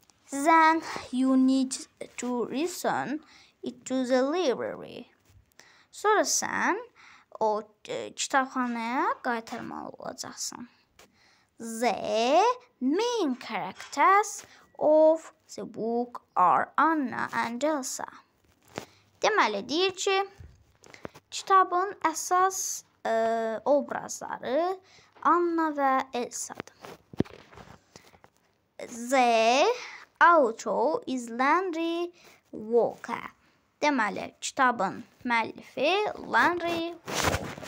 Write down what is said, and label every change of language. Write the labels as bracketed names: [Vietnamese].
[English] Then you need to return it to the library. [Azerbaijani] Sonra sən o kitabxanaya qaytarmalı olacaqsın. [English] The main characters of the book are Anna and Elsa. [Azerbaijani] Deməli, deyir ki, kitabın əsas obrazları Anna və Elsa'dır. [English] The auto is Landry Walker. [Azerbaijani] Deməli, kitabın müəllifi Landry Walker.